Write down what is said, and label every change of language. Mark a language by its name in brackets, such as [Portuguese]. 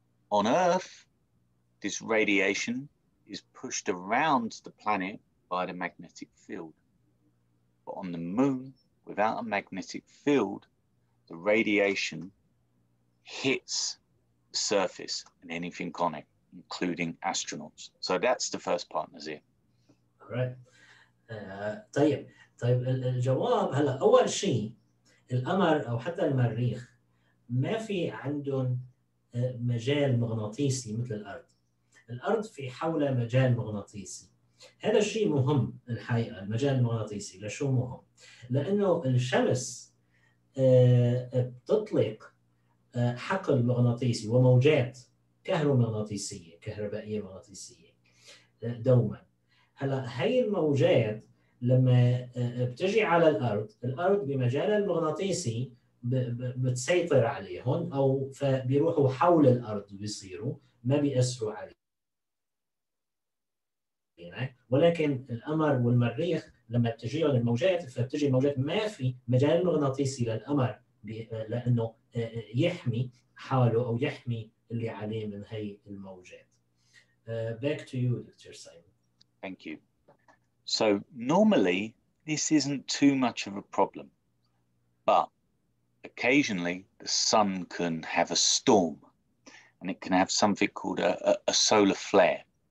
[English] On Earth, this radiation is pushed around the planet by the magnetic field. But on the moon, without a magnetic field, the radiation hits the surface and anything on it, including astronauts. So that's the first part, Nazeer. Right. [Arabic] طيب طيب الجواب هلا أول شيء القمر أو حتى المريخ ما في عندهم مجال مغناطيسي مثل الأرض. الأرض في حولها مجال مغناطيسي. هذا الشيء مهم الحقيقة المجال المغناطيسي. لشو مهم؟ لأنه الشمس بتطلق حقل مغناطيسي وموجات كهرومغناطيسية كهربائية مغناطيسية دوما. هلا هاي الموجات لما بتجي على الأرض، الأرض بمجال المغناطيسي بتسيطر عليهم أو فبيروحوا حول الأرض بيصيروا ما بيأثروا عليهم، ولكن القمر والمريخ لما بتجيهم الموجات فبتجي موجات ما في مجال مغناطيسي للقمر لأنه يحمي حاله أو يحمي اللي عليه من هاي الموجات. [English] Back to you, Dr. Simon. Thank you. So normally this isn't too much of a problem, but occasionally the sun can have a storm and it can have something called a solar flare.